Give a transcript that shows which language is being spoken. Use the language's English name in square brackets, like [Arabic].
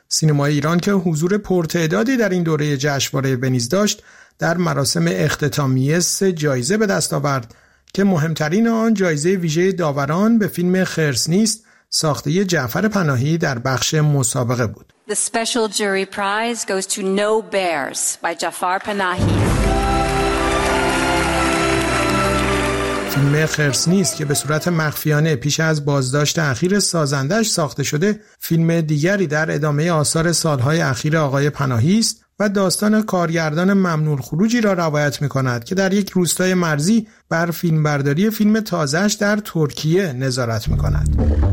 [Persian] سینمای ایران که حضور پرتعدادی در این دوره جشنواره ونیز داشت، در مراسم اختتامیه 3 جایزه به دست آورد که مهمترین آن جایزه ویژه داوران به فیلم خرس نیست ساخته جعفر پناهی در بخش مسابقه بود. [English] The special jury prize goes to No Bears by Jafar Panahi. [Persian] فیلم خرس نیست که به صورت مخفیانه پیش از بازداشت اخیر سازندش ساخته شده، فیلم دیگری در ادامه آثار سالهای اخیر آقای پناهی است و داستان کارگردان ممنون خروجی را روایت می‌کند که در یک روستای مرزی بر فیلمبرداری فیلم تازه‌اش در ترکیه نظارت می‌کند.